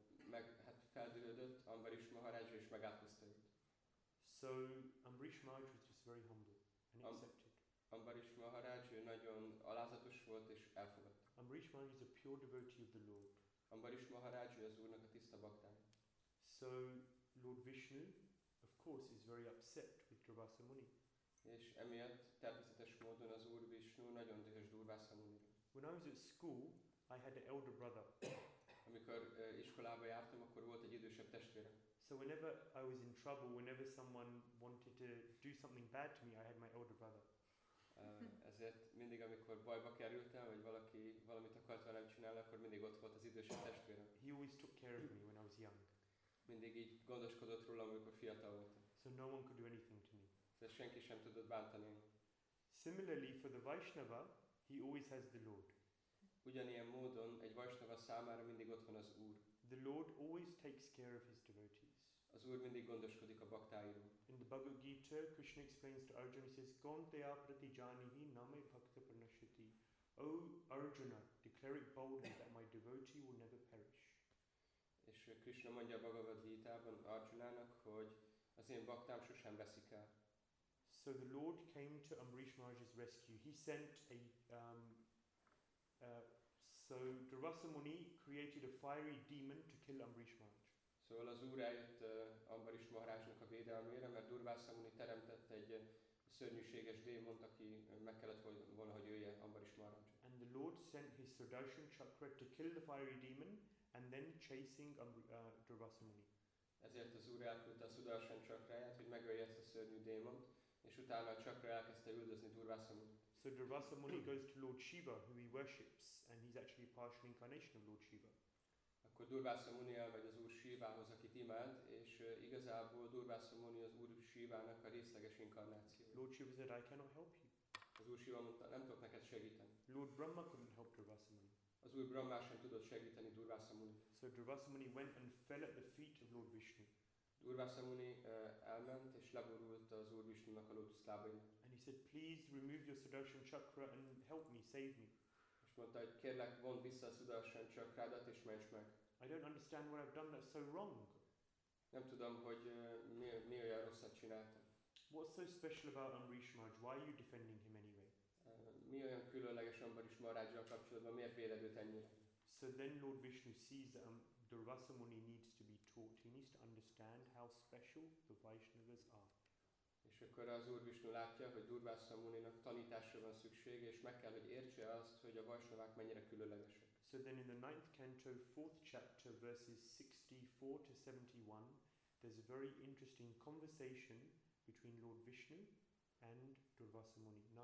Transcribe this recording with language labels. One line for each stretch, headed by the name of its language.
Hungarian: Meg hát feldühödött Ambarish Maharaj és megátkozta őt.
English: So Ambarish Maharaj was just very humble and accepted.
Hungarian: Ambarish Maharaj nagyon alázatos volt és elfogadta.
English: Ambarish Maharaj is a pure devotee of the Lord.
Hungarian: Ambarish Maharaj az Úrnak a tiszta baktája.
English: So Lord Vishnu, of course, is very upset with Durvasa Muni.
Hungarian: És emiatt természetes módon az Úr Vishnu nagyon dühös Durvasa Muni.
English: When I was at school, I had an elder brother.
Hungarian: Amikor iskolába jártam, akkor volt egy idősebb testvérem.
English: So whenever I was in trouble, whenever someone wanted to do something bad to me, I had my elder brother.
Hungarian: Ezért mindig, amikor bajba kerültem, vagy valaki valamit akart velem csinálni, akkor mindig ott volt az idősebb testvérem.
English: He always took care of me when I was young.
Hungarian: Mindig így gondoskodott rólam, amikor fiatal voltam.
English: So no one could do anything to me.
Hungarian: Szóval senki sem tudott bántani.
English: Similarly, for the Vaishnava, he always has the Lord.
Hungarian: Ugyanilyen módon egy Vaishnava számára mindig ott van az Úr.
English: The Lord always takes care of his devotees.
Hungarian: Az Úr mindig gondoskodik a baktáiról.
English: In the Bhagavad Gita, Krishna explains to Arjuna, he says,
Sanskrit: Gonteya prati janihi name bhakta parnashati.
English: O Arjuna, declare it boldly that my devotee will never perish.
Hungarian: És Krishna mondja a Bhagavad Gita-ban Arjunának, hogy az én baktám sosem veszik el.
English: So the Lord came to Ambarish Maharaj's rescue. He sent a... So Durvasa Muni created a fiery demon to kill Ambarish Maharaj.
Hungarian: Szóval az Úr eljött Ambarish Maharajnak a védelmére, mert Durvasa Muni teremtett egy szörnyűséges démont, aki meg kellett volna, hogy jöjje Ambarish Maharajra.
English: And the Lord sent his Sudarshan Chakra to kill the fiery demon and then chasing Durvasa Muni.
Hungarian: Ezért az Úr elküldte a Sudarshan Chakráját, hogy megölje ezt a szörnyű démont, és utána a csakra elkezdte üldözni Durvasa Muni.
English: So Durvasa Muni goes to Lord Shiva, who he worships, and he's actually a partial incarnation of Lord Shiva.
Hungarian: akkor Durvasa Muni elmegy az Úr Sivához, akit imád, és igazából Durvasa Muni az Úr Sivának a részleges inkarnáció.
English: Lord Shiva said, I cannot help you.
Hungarian: Az Úr Siva mondta, nem tudok neked segíteni.
English: Lord Brahma couldn't help Durvasa Muni.
Hungarian: Az Úr Brahma sem tudott segíteni Durvasa Muni.
English: So Durvasa Muni went and fell at the feet of Lord Vishnu.
Hungarian: Durvasa Muni elment és leborult az Úr Vishnunak a lótusz lábain.
English: And he said, please remove your Sudarshan chakra and help me, save me.
Hungarian: És mondta, hogy kérlek, vonj vissza a Sudarshan chakrádat és ments meg.
English: I don't understand what I've done that's so wrong.
Hungarian: Nem tudom, hogy mi olyan rosszat csináltam.
English: What's so special about Amrish Maharaj? Why are you defending him anyway?
Hungarian: Mi olyan különleges Amrish Maharajjal kapcsolatban? Miért véled őt ennyire?
English: So then Lord Vishnu sees that Durvasa Muni needs to be taught. He needs to understand how special the Vaishnavas are.
Hungarian: És akkor az Úr Vishnu látja, hogy Durvasa Muninak tanításra van szüksége, és meg kell, hogy értse azt, hogy a Vaishnavák mennyire különlegesek.
English: So then in the 9th canto, 4th chapter, verses 64 to 71, there's a very interesting conversation between Lord Vishnu and Durvasa Muni.